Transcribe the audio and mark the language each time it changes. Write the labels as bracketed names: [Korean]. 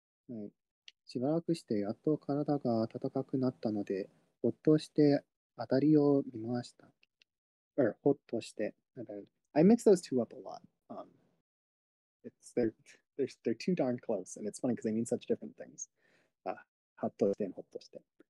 [Japanese] はい、しばらくしてやっと体が温かくなったので、ほっとしてあたりを見回した。 [English] Or, ほっとして。I mix those two up a lot. They're too darn close, and it's funny because they mean such different things. [Japanese] はっとしてほっとして。